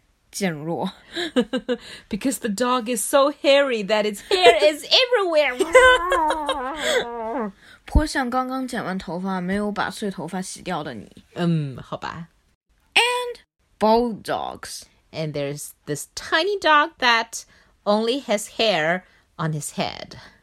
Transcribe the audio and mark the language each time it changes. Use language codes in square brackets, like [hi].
[en] 健弱 because the dog is so hairy that its hair is everywhere. [zh] 颇像刚刚剪完头发没有把碎头发洗掉的你。好吧。 [en] And bald dogs. And there's this tiny dog that only has hair on his head.